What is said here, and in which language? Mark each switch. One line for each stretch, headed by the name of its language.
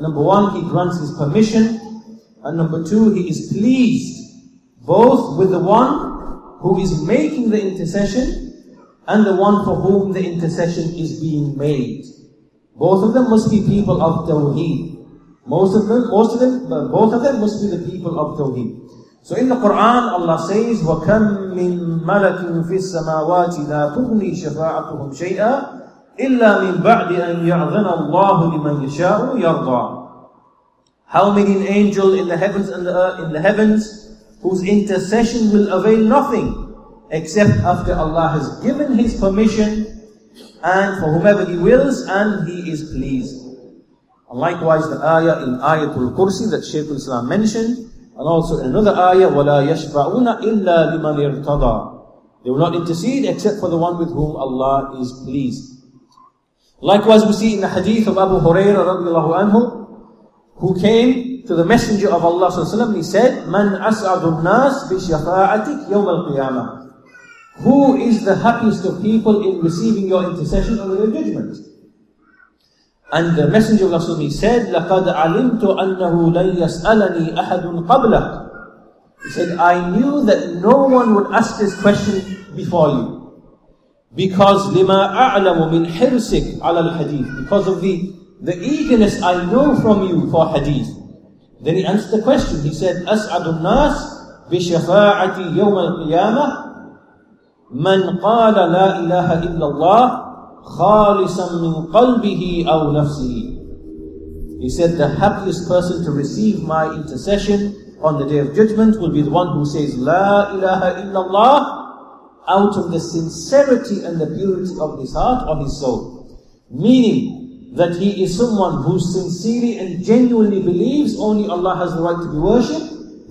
English: Number one, He grants His permission. And number two, He is pleased both with the one who is making the intercession and the one for whom the intercession is being made. Both of them must be people of Tawheed. Both of them must be the people of Tawheed. So in the Quran, Allah says,
Arabic: وَكَمْ مِنْ مَلَكٍ فِي السَّمَاوَاتِ لَا تُغْنِي شَفَاعَتُهُمْ شَيْئًا إِلَّا مِنْ بَعْدِ أَنْ يَعْذَنَ اللَّهُ لِمَنْ يَشَاءُ يَرْضَى.
English: How many an angel in the heavens and the earth, in the heavens, whose intercession will avail nothing except after Allah has given His permission and for whomever He wills and He is pleased. And likewise, the ayah in Ayatul Kursi that Shaykh al-Islam mentioned, and also another ayah,
Arabic: وَلَا يَشْفَعُونَ إِلَّا لِمَنْ يَرْتَضَى.
English: They will not intercede except for the one with whom Allah is pleased. Likewise, we see in the hadith of Abu Hurairah radiallahu anhu, who came to the Messenger of Allah sallallahu alaihi wasallam, he said,
Arabic: مَنْ أَسْعَدُ النَّاسِ بِشَفَاعَتِكْ يَوْمَ الْقِيَامَةِ.
English: Who is the happiest of people in receiving your intercession on the day of judgment? And the Messenger of Allah said,
Arabic: لَقَدْ عَلِمْتُ أَنَّهُ لَنْ يَسْأَلَنِي أَحَدٌ قَبْلَكَ.
English: He said, I knew that no one would ask this question before you. Because
Arabic: لِمَا أَعْلَمُ مِنْ حِرْسِكْ عَلَى الْحَدِيثِ.
English: Because of the eagerness I know from you for hadith. Then he answered the question. He said,
Arabic: أَسْعَدُ النَّاسِ بِشَفَاعَةِ يَوْمَ الْقِيَامَةِ. من قال لا إله إلا الله خالصا من قلبه أو نفسه.
English: He said, the happiest person to receive my intercession on the Day of Judgment will be the one who says, La ilaha illallah, out of the sincerity and the purity of his heart or his soul. Meaning that he is someone who sincerely and genuinely believes only Allah has the right to be worshipped.